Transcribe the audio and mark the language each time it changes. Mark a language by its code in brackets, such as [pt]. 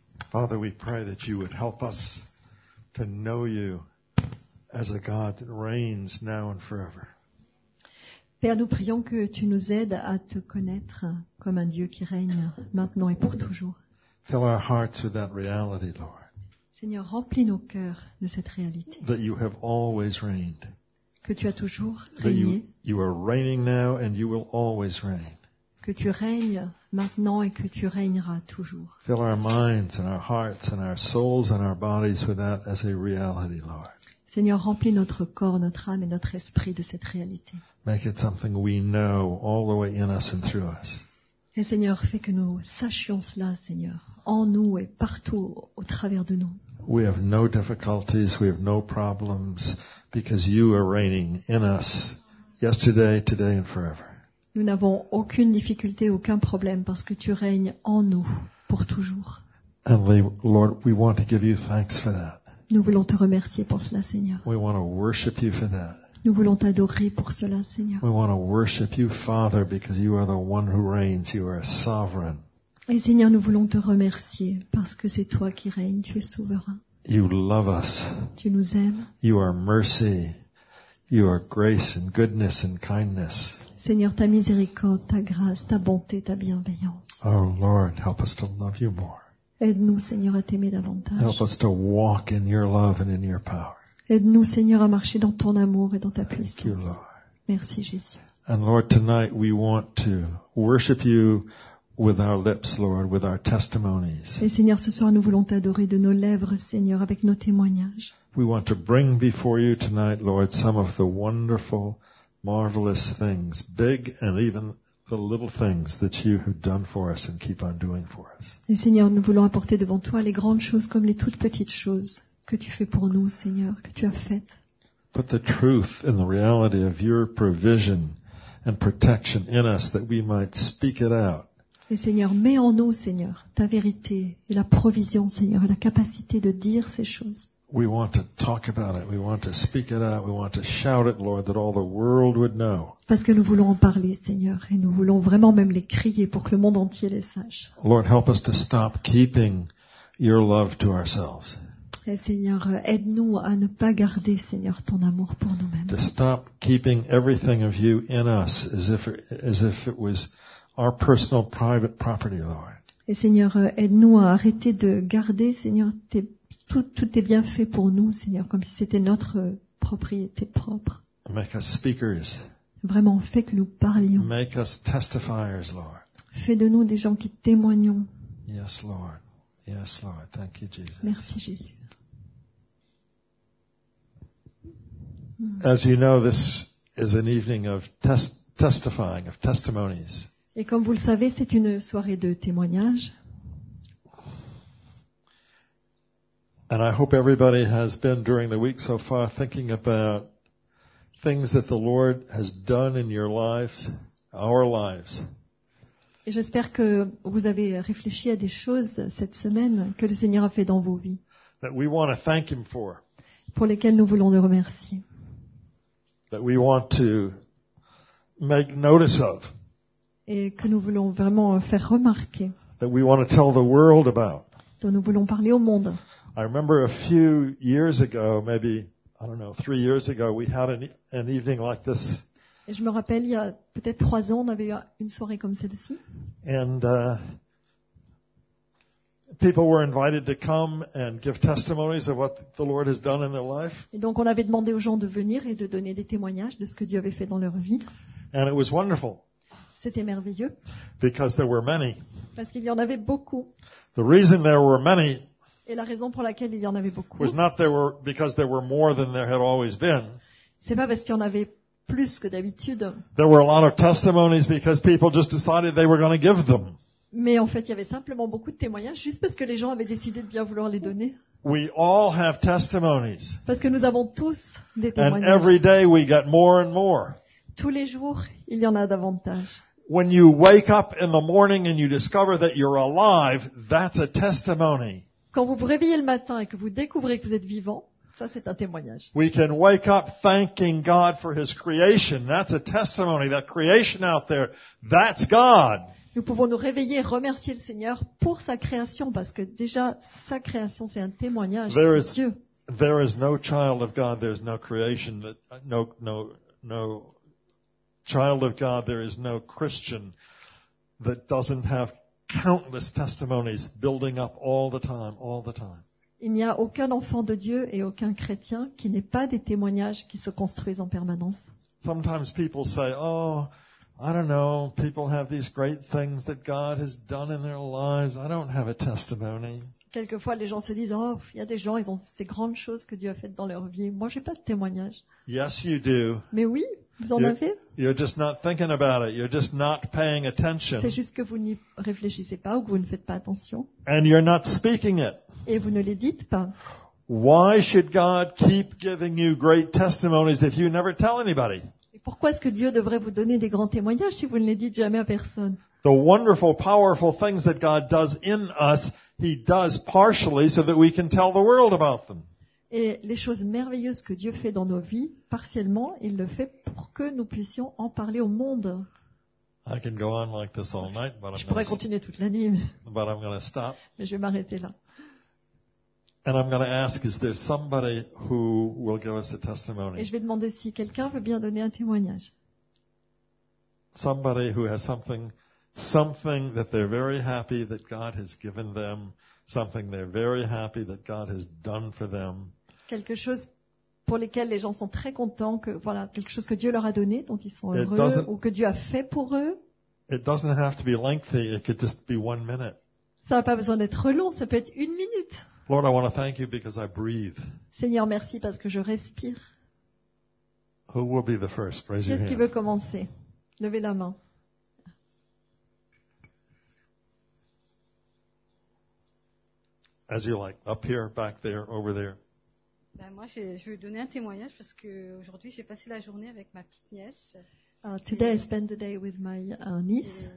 [en] Father, we pray that you would help us to know you as a God that reigns now and forever. [fr] Père, nous prions que tu nous aides à te connaître comme un Dieu qui règne maintenant et pour toujours. [en] Fill our hearts with that reality, Lord. [fr] Seigneur, remplis nos cœurs de cette réalité. [en] That you have always reigned. [fr] Que tu as toujours régné. [en] That you are reigning now and you will always reign. [fr] Que tu règnes maintenant et que tu règneras toujours. [en] Fill our minds and our hearts and our souls and our bodies with that as a reality, Lord. [fr] Seigneur, remplis notre corps, notre âme et notre esprit de cette réalité. [en] Make it something we know all the way in us and through us. [fr] Et Seigneur, fais que nous sachions cela, Seigneur, en nous et partout au travers de nous. [en] We have no difficulties, we have no problems, because you are reigning in us yesterday, today and forever. [fr] Nous n'avons aucune difficulté, aucun problème, parce que tu règnes en nous pour toujours. [en] And Lord, we want to give you thanks for that. [fr] Nous voulons te remercier pour cela, Seigneur. [en] We want to worship you for that. [fr] Nous voulons t'adorer pour cela, Seigneur. [en] We want to worship you, Father, because you are the one who reigns. You are sovereign. [fr] Et Seigneur, nous voulons te remercier parce que c'est toi qui règnes. Tu es souverain. [en] You love us. [fr] Tu nous aimes. [en] You are mercy. You are grace and goodness and kindness. [fr] Seigneur, ta miséricorde, ta grâce, ta bonté, ta bienveillance. [en] Oh Lord, help us to love you more. [fr] Aide-nous, Seigneur, à t'aimer davantage. [en] Help us to walk in your love and in your power. [fr] Aide-nous, Seigneur, à marcher dans ton amour et dans ta puissance. [en] Thank you, Lord. [fr] Merci, Jésus. [en] And Lord, tonight we want to worship you with our lips, Lord, with our testimonies. [fr] Et Seigneur, ce soir nous voulons t'adorer de nos lèvres, Seigneur, avec nos témoignages. [en] We want to bring before you tonight, Lord, some of the wonderful, marvelous things, big and even the little things that you have done for us and keep on doing for us. [fr] Et Seigneur, nous voulons apporter devant toi les grandes choses comme les toutes petites choses que tu fais pour nous, Seigneur, que tu as faites. [en] Put the truth and the reality of your provision and protection in us that we might speak it out. [fr] Et Seigneur, mets en nous, Seigneur, ta vérité et la provision, Seigneur, et la capacité de dire ces choses. [en] We want to talk about it. We want to speak it out. We want to shout it, Lord, that all the world would know. [fr] Parce que nous voulons en parler, Seigneur, et nous voulons vraiment même les crier pour que le monde entier les sache. [en] Lord, help us to stop keeping your love to ourselves. [fr] Et Seigneur, aide-nous à ne pas garder, Seigneur, ton amour pour nous-mêmes. [en] To stop keeping everything of you in us as if it was our personal private property, Lord. [fr] Et Seigneur, aide-nous à arrêter de garder, Seigneur, tout est bien fait pour nous, Seigneur, comme si c'était notre propriété propre. [en] Make us speakers. [fr] Vraiment, fais que nous parlions. [en] Make us testifiers, Lord. [fr] Fais de nous des gens qui témoignons. [en] Yes, Lord. Yes, Lord. Thank you, Jesus. [fr] Merci, Jésus. [en] As you know, this is an evening of testifying, of testimonies. [fr] Et comme vous le savez, c'est une soirée de témoignages. [en] And I hope everybody has been during the week so far thinking about things that the Lord has done in your lives, our lives. [fr] Et j'espère que vous avez réfléchi à des choses cette semaine que le Seigneur a fait dans vos vies. [en] That we want to thank him for. [fr] Pour lesquelles nous voulons le remercier. [en] That we want to make notice of. [fr] Et que nous voulons vraiment faire remarquer. [en] That we want to tell the world about. [fr] Dont nous voulons parler au monde. [en] I remember a few years ago, maybe, I don't know, 3 years ago, we had an evening like this. [fr] Et je me rappelle, il y a peut-être 3 ans, on avait eu une soirée comme celle-ci. [en] And people were invited to come and give testimonies of what the Lord has done in their life. [fr] Et donc on avait demandé aux gens de venir et de donner des témoignages de ce que Dieu avait fait dans leur vie. [en] And it was wonderful. [fr] C'était merveilleux. [en] Because there were many. [fr] Parce qu'il y en avait beaucoup. [en] The reason there were many. [fr] Et la raison pour laquelle il y en avait beaucoup. [en] Was not there were because there were more than there had always been. [fr] C'est pas parce qu'il y en avait plus que d'habitude. [en] There were a lot of testimonies because people just decided they were going to give them. [fr] Mais en fait, il y avait simplement beaucoup de témoignages juste parce que les gens avaient décidé de bien vouloir les donner. [en] We all have testimonies. [fr] Parce que nous avons tous des témoignages. [en] And every day we get more and more. [fr] Tous les jours, il y en a davantage. [en] When you wake up in the morning and you discover that you're alive, that's a testimony. [fr] Quand vous vous réveillez le matin et que vous découvrez que vous êtes vivant, ça c'est un témoignage. [en] We can wake up thanking God for his creation. That's a testimony. That creation out there, that's God. [fr] Nous pouvons nous réveiller et remercier le Seigneur pour sa création, parce que déjà, sa création, c'est un témoignage de Dieu. [en] There is no child of God, there is no creation, no child of God, there is no Christian that doesn't have countless testimonies building up all the time. [fr] Il n'y a aucun enfant de Dieu et aucun chrétien qui n'ait pas des témoignages qui se construisent en permanence. [en] Sometimes people say, oh, I don't know, people have these great things that God has done in their lives, I don't have a testimony. [fr] Quelquefois, les gens se disent, oh, il y a des gens, ils ont ces grandes choses que Dieu a faites dans leur vie. Moi, je n'ai pas de témoignage. [en] Yes, you do. [fr] Mais oui, vous en avez. [en] You're just not thinking about it. You're just not paying attention. [fr] C'est juste que vous n'y réfléchissez pas ou que vous ne faites pas attention. [en] And you're not speaking it. [fr] Et vous ne les dites pas. [en] Why should God keep giving you great testimonies if you never tell anybody? [fr] Et pourquoi est-ce que Dieu devrait vous donner des grands témoignages si vous ne les dites jamais à personne? [en] The wonderful, powerful things that God does in us, He does partially so that we can tell the world about them. [fr] Et les choses merveilleuses que Dieu fait dans nos vies, partiellement, il le fait pour que nous puissions en parler au monde. [en] I can go on like this all night, but [fr] je pourrais continuer toute la nuit. [en] But I'm going to stop. [fr] Mais je vais m'arrêter là. [en] And I'm going to ask, is there somebody who will give us a testimony? [fr] Et je vais demander si quelqu'un veut bien donner un témoignage. [en] Somebody who has something that they're very happy that God has given them, something they're very happy that God has done for them. [fr] Quelque chose pour lequel les gens sont très contents, que voilà, quelque chose que Dieu leur a donné, dont ils sont heureux, ou que Dieu a fait pour eux. [en] It doesn't have to be lengthy, it could just be 1 minute. [fr] Ça n'a pas besoin d'être long, ça peut être 1 minute. [en] Lord, I want to thank you because I breathe. [fr] Seigneur, merci parce que je respire. [en] Who will be the first? Raise your hand. [fr] Qui est-ce qui veut commencer? Levez la main. [en] As you like, up here, back there, over there. [fr] Ben moi, je veux donner un témoignage parce que aujourd'hui, j'ai passé la journée avec ma petite nièce. [en] Today, I spent the day with my niece.